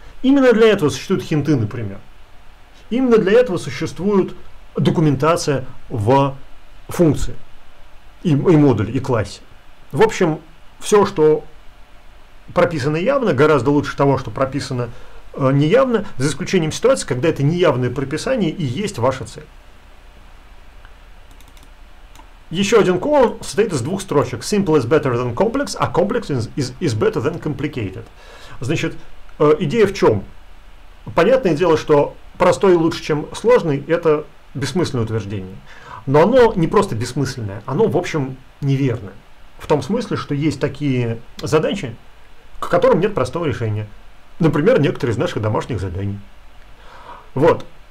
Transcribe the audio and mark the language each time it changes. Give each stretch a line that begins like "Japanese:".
Russian: Именно для этого существуют хинты, например. Именно для этого существует документация в функции, и модуле, и классе. В общем, все, что прописано явно, гораздо лучше того, что прописано неявно, за исключением ситуации, когда это неявное прописание и есть ваша цель. Еще один кон состоит из двух строчек.
English: Simple is better than complex, а complex is better than complicated.
Russian: Значит, идея в чем? Понятное дело, что простой лучше, чем сложный, это бессмысленное утверждение. Но оно не просто бессмысленное, оно, в общем, неверное. В том смысле, что есть такие задачи, к которым нет простого решения. Например, некоторые из наших домашних заданий. Вот.